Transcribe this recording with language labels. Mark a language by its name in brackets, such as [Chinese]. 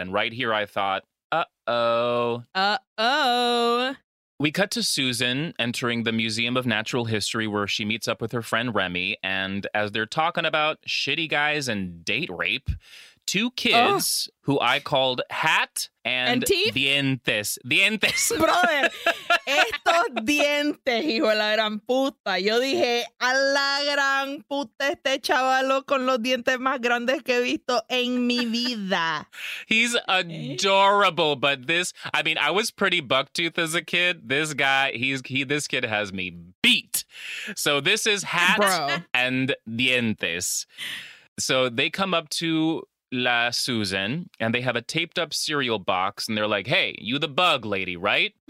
[English] And right here, I thought, uh-oh. We cut to Susan entering the Museum of Natural History, where she meets up with her friend Remy. And as they're talking about shitty guys and date rape, two kids who I called Hat and Dientes. Dientes. [Spanish] Brother, estos dientes, hijo de la gran puta. Yo dije, a la gran puta este chavalo con los dientes más grandes que he visto en mi vida. [English] He's adorable, but this, I mean, I was pretty bucktooth as a kid. This guy, this kid has me beat. So this is Hat and Dientes. So they come up to La Susan, and they have a taped up cereal box, and they're like, hey, you the bug lady, right?